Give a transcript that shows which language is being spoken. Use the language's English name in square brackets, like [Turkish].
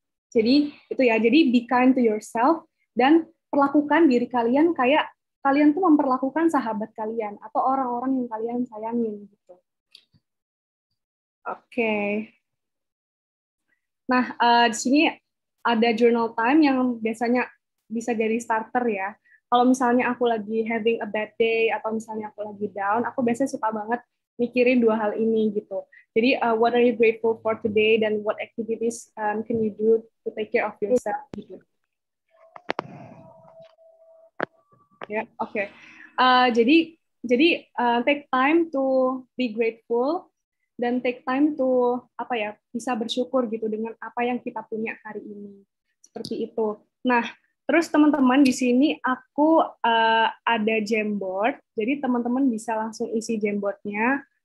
[Indonesian] Jadi itu ya, jadi [English] be kind to yourself [Indonesian] dan perlakukan diri kalian kayak kalian tuh memperlakukan sahabat kalian atau orang-orang yang kalian sayangin gitu. Okay. Nah, di sini ada journal time yang biasanya bisa jadi starter ya. Kalau misalnya aku lagi [English] having a bad day [Indonesian] atau misalnya aku lagi down, aku biasanya suka banget mikirin dua hal ini gitu. [English] Jadi what are you grateful for today dan what activities can you do to take care of yourself gitu. [Indonesian] Ya, oke. Jadi [English] take time to be grateful [Indonesian] dan take time to bisa bersyukur gitu dengan apa yang kita punya hari ini. Seperti itu. Nah, terus teman-teman di sini aku ada Jamboard, jadi teman-teman bisa langsung isi Jamboard-nya.